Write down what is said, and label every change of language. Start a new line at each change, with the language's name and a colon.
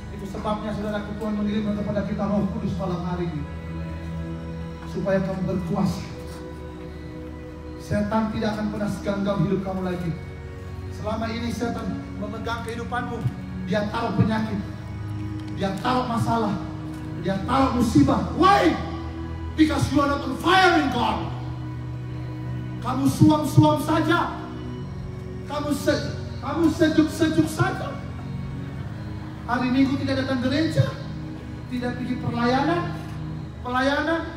Indonesian: Sebabnya saudaraku, Tuhan mengirimkan kepada kita Roh Kudus malam hari ini supaya kamu berkuasa. Setan tidak akan pernah segenggam hidup kamu lagi. Selama ini setan memegang kehidupanmu, dia taruh penyakit, dia taruh masalah, dia taruh musibah.
English: Why? Because you are not on fire in God.
Indonesian: Kamu suam-suam saja, kamu sejuk-sejuk saja. Hari Minggu tidak datang gereja, tidak pergi pelayanan,